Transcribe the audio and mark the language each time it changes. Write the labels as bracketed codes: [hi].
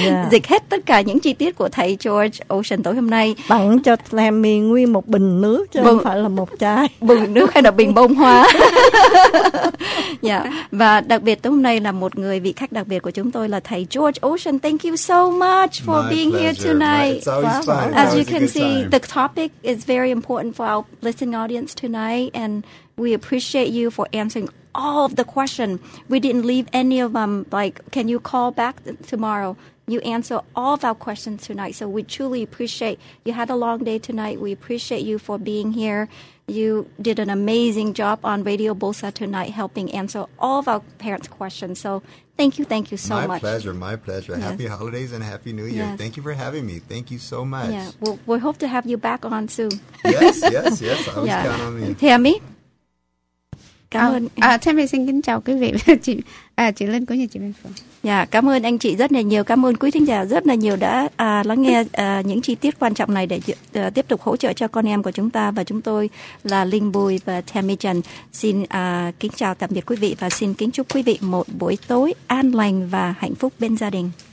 [vi] Dịch hết tất cả những chi tiết của thầy George Ocean tối hôm nay. Bằng cho Tammy nguyên một bình nước chứ không phải là một chai. Bình nước hay là bình bông hoa. Và đặc biệt tối hôm nay là một người vị khách đặc biệt của chúng tôi là thầy George Ocean. [en] Thank you so much for being here tonight. See, the topic is very important for our listening audience tonight, and we appreciate you for answering all of the questions. We didn't leave any of them, like, can you call back tomorrow? You answer all of our questions tonight, so we truly appreciate you had a long day tonight. We appreciate you for being here. You did an amazing job on Radio Bosa tonight, helping answer all of our parents' questions. So thank you so much. My pleasure, my pleasure. Yes. Happy holidays and happy new year. Yes. Thank you for having me. Thank you so much. Yeah, we hope to have you back on soon. Yes, I was counting on you. Tammy? [vi] Tammy, xin kính chào quý vị. Chị Linh cũng như chị Minh Phương. Cảm ơn anh chị rất là nhiều. Cảm ơn quý thính giả rất là nhiều đã lắng nghe những chi tiết quan trọng này để tiếp tục hỗ trợ cho con em của chúng ta. Và chúng tôi là Linh Bùi và Tammy Trần. Xin kính chào tạm biệt quý vị và xin kính chúc quý vị một buổi tối an lành và hạnh phúc bên gia đình.